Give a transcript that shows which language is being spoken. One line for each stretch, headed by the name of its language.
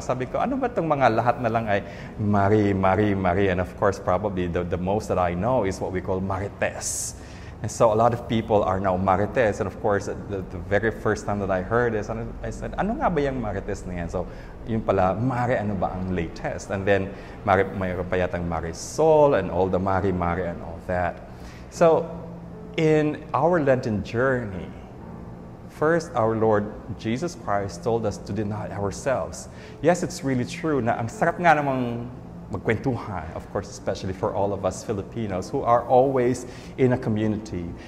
Filipino: Sabi ko, ano ba itong mga lahat na lang ay Mari, Mari, Mari.
English: And of course, probably the most that I know is what we call Marites. And so a lot of people are now Marites. And of course, the very first time that I heard this, I said,
Filipino: ano nga ba yung Marites na yan? So, yun pala, Mari, ano ba ang latest?
English: And then,
Filipino: mayroon pa yatang
English: Marisol and all the Mari, Mari and all that. So, in our Lenten journey, first, our Lord Jesus Christ told us to deny ourselves. Yes, it's really true
Filipino: na ang sarap nga namang magkwentuhan,
English: of course, especially for all of us Filipinos who are always in a community.